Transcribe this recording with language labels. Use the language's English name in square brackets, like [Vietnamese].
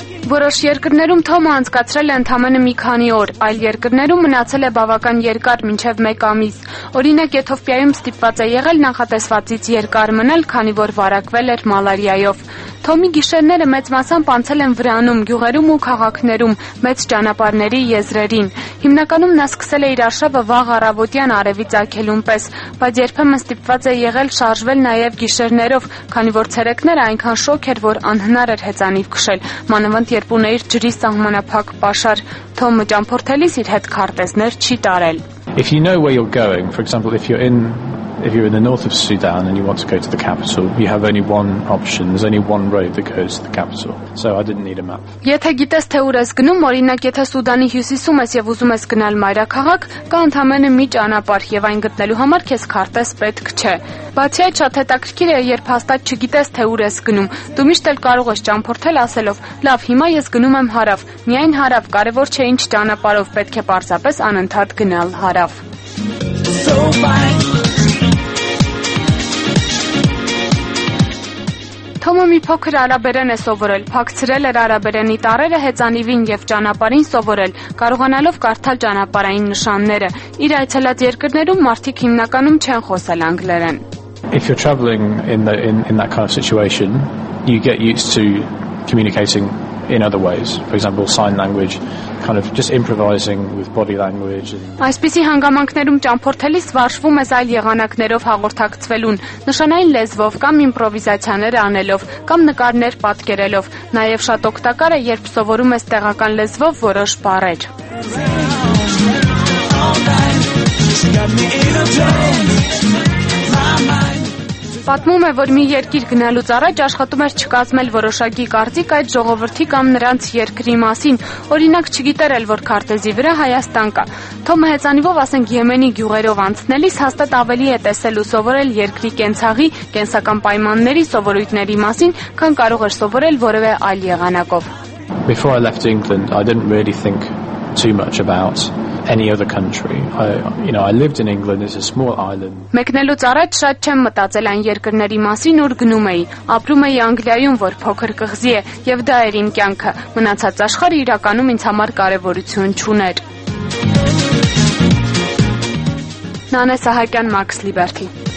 [Armenian] Որոշ երկրներում Թոմը անցկացրել է ընդամենը մի քանի օր, այլ երկրներում մնացել է բավական երկար, մինչև 1 ամիս։ Օրինակ, Եթովպիայում ստիպված է եղել նախատեսվածից երկար մնալ, քանի որ վարակվել էր մալարիայով։ Թոմի գիշերները մեծ մասամբ անցել են Վրանում, գյուղերում ու քաղաքներում, մեծ ճանապարհների եզրերին։ Հիմնականում նա սկսել է իր արշավը վաղ առավոտյան արևի ծագելուն պես, բայց երբեմն ստիպված է եղել շարժվել նաև գիշերներով, քանի որ ցերեկները այնքան շոգ էր, որ անհնար էր հեծանիվ քշել, մանավանդ երբ ուներ ջրի սահմանափակ պաշար։ Թոմը ճամփորդելիս իր հետ քարտեզներ չի տարել։ [English] If you know where you're going, for example, if you're in if you're in the north of Sudan and you want to go to the capital, you have only one option. There's only one road that goes to the capital. So I didn't need a map. [Armenian] Եթե գիտես թե ուր ես գնում, օրինակ եթե Սուդանի հյուսիսում ես եւ ուզում ես գնալ մայրաքաղաք, կա ընդհանրապես մի ճանապարհ եւ այն գտնելու համար քեզ քարտեզ պետք չէ։ Բացի այդ, շատ հետաքրքիր է, երբ հաստատ չգիտես թե ուր ես գնում, դու միշտ էլ կարող ես ճամփորդել ասելով. «Լավ, հիմա ես գնում եմ հարավ»։ Միայն հարավ, կարևոր չէ ինչ ճանապարհով պետք է պարզապես անընդհատ գնալ հարավ։ Թոմը մի փոքր արաբերեն է սովորել, փակցրել էր արաբերենի տառերը հեծանիվին և ճանապարհին սովորել, կարողանալով կարդալ ճանապարհային նշանները։ Իր այցելած երկրներում մարդիկ հիմնականում չեն խոսել անգլերեն։ [English] If you're traveling in that kind of situation, you get used to communicating in other ways, for example, sign language, kind of just improvising with body language. [Armenian] Այսպիսի հանգամանքներում ճամփորդելիս վարժվում ես այլ եղանակներով հաղորդակցվելուն, նշանային լեզվով կամ իմպրովիզացիաներ անելով կամ նկարներ պատկերելով, նաև շատ օգտակար է, երբ սովորում ես տեղական լեզվով որոշ բառեր։ Պատմում է, որ մի երկիր գնալուց առաջ աշխատում էր չկազմել որոշակի կարծիք այդ ժողովրդի կամ նրանց երկրի մասին, օրինակ չգիտեր էլ, որ քարտեզի վրա Հայաստան կա։ Թոմը հեծանիվով, ասենք, Եմենի գյուղերով անցնելիս հաստատ ավելի է տեսել ու սովորել երկրի կենցաղի, կենսական պայմանների, սովորույթների մասին, քան կարող էր սովորել որևէ այլ եղանակով։ [English] Before I left England, I didn't really think too much about any other country. I lived in England, it's a small island. [Armenian] Մեկնելուց առաջ շատ չեմ մտածել այն երկրների մասին, որ գնում էի։ Ապրում էի Անգլիայում, որ փոքր կղզի է, եւ դա էր իմ կյանքը։ Մնացած աշխարհը իրականում ինձ համար կարևորություն չուներ։ Նանե Սահակյան, Մաքս Լիբերտի։